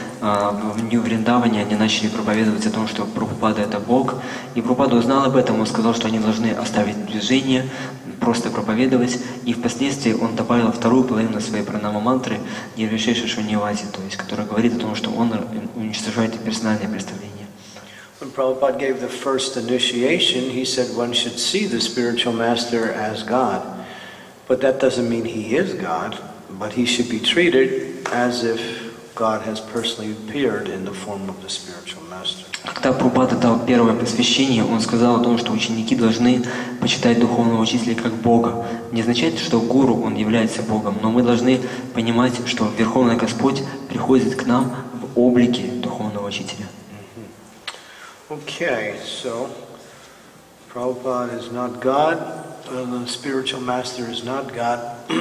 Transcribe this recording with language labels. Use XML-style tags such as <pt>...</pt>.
<ru>в Нью Вриндаване они начали проповедовать о том, что Прабхупада — это Бог. И Прабхупада узнал об этом, он сказал, что они должны оставить движение, просто проповедовать. И впоследствии он добавил вторую половину своей пранама-мантры «Нирвишеша Шуньявати», то есть, которая говорит о том, что он уничтожает персональное представление.</ru> <en>When Prabhupada gave the first initiation, he said one should see the spiritual master as God. But that doesn't mean he is God, but he should be treated as if God has personally appeared in the form of the spiritual master.</en> <ru>Когда Прабхупада дал первое посвящение, он сказал о том, что ученики должны почитать духовного учителя как Бога. Не означает, что гуру, он является Богом, но мы должны понимать, что Верховный Господь приходит к нам в облике духовного учителя.</ru> <en>Okay, so Prabhupada is not God, the spiritual master is not God.</en>